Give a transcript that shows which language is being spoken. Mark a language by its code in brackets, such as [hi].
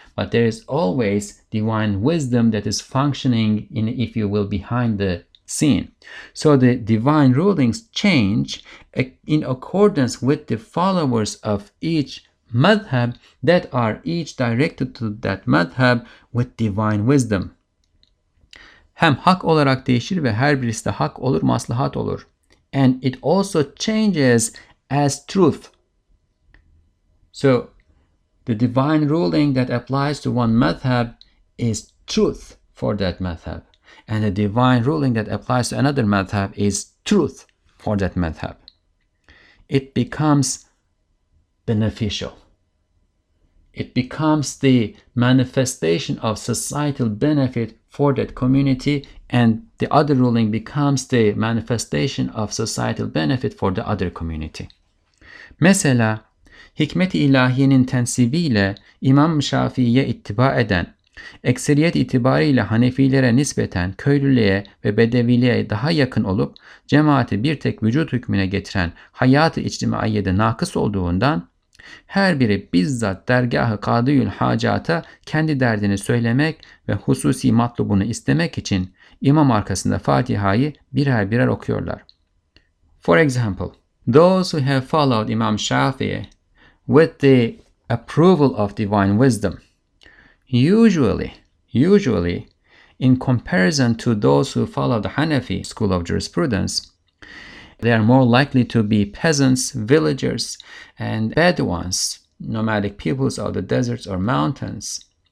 [en] But there is always divine wisdom that is functioning, in, if you will, behind the scene. So the divine rulings change in accordance with the followers of each madhab that are each directed to that madhab with divine wisdom. [tr] Hem hak olarak değişir ve her birisi de hak olur, maslahat olur. [en] And it also changes as truth. So the divine ruling that applies to one madhab is truth for that madhab. And the divine ruling that applies to another madhab is truth for that madhab. It becomes beneficial. It becomes the manifestation of societal benefit for that community, and the other ruling becomes the manifestation of societal benefit for the other community. [tr] Mesela, hikmet-i ilahiyenin tensibiyle İmam Şafii'ye ittiba eden, ekseriyet itibariyle Hanefilere nispeten köylülüğe ve bedeviliğe daha yakın olup, cemaati bir tek vücut hükmüne getiren hayat-ı içtimaiyede nakıs olduğundan, her biri bizzat dergah-ı kadıyül hacata kendi derdini söylemek ve hususi matlubunu istemek için imam arkasında Fatiha'yı birer birer okuyorlar. [en] For example, those who have followed Imam Shafi'i with the approval of divine wisdom, usually, in comparison to those who follow the Hanafi school of jurisprudence, they are more likely to be peasants, villagers, and Bedouins, nomadic peoples of the deserts or mountains.